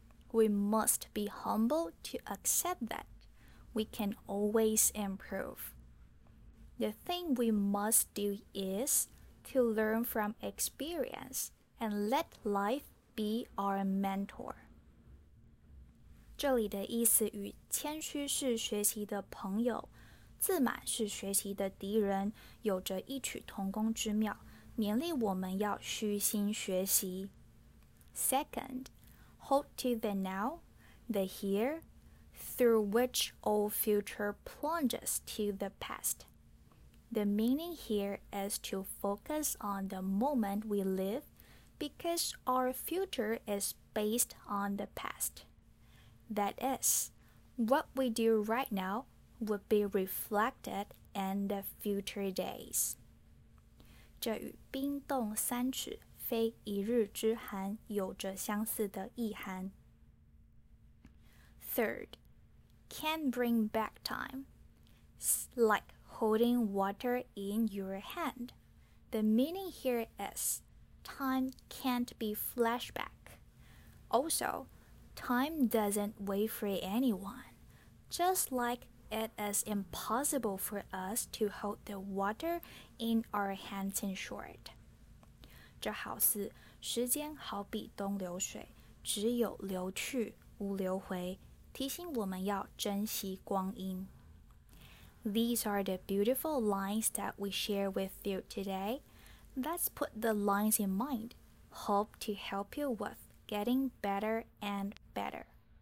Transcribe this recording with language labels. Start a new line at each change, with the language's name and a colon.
English: We must be humble to accept that we can always improve. The thing we must do is to learn from experience and let life be our mentor.
Chinese: 这里的意思与谦虚是学习的朋友，自满是学习的敌人，有着异曲同工之妙，勉励我们要虚心学习。
English: Second, hold to the now, the here,through which all future plunges to the past. The meaning here is to focus on the moment we live because our future is based on the past. That is, what we do right now will be reflected in the future days.
Chinese: 这与冰冻三尺非一日之寒有着相似的意涵。
English: Third,can bring back time, like holding water in your hand. The meaning here is, time can't be flashback. Also, time doesn't wait for anyone. Just like it is impossible for us to hold the water in our hands in short.
Chinese: 这好似时间好比东流水，只有流去，无流回。提醒我们要珍惜光阴。
English: These are the beautiful lines that we share with you today. Let's put the lines in mind. Hope to help you with getting better and better.